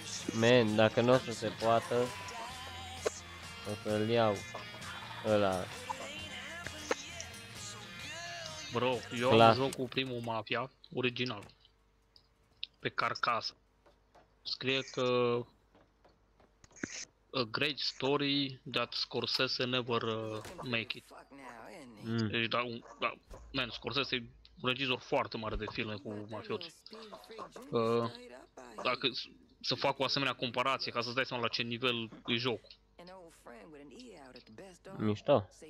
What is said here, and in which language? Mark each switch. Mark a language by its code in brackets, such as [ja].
[ro] Man, dacă n-o să se poată, o să-l iau ăla. Bro, eu am joc cu primul Mafia, original, pe carcasă. Scrie că... [en] A great story that Scorsese never make it. [ro] Deci, da, man, Scorsese e un regizor foarte mare de filme cu mafioții. Dacă să fac o asemenea comparație, ca să-ți dai seama la ce nivel e jocul. Mișto.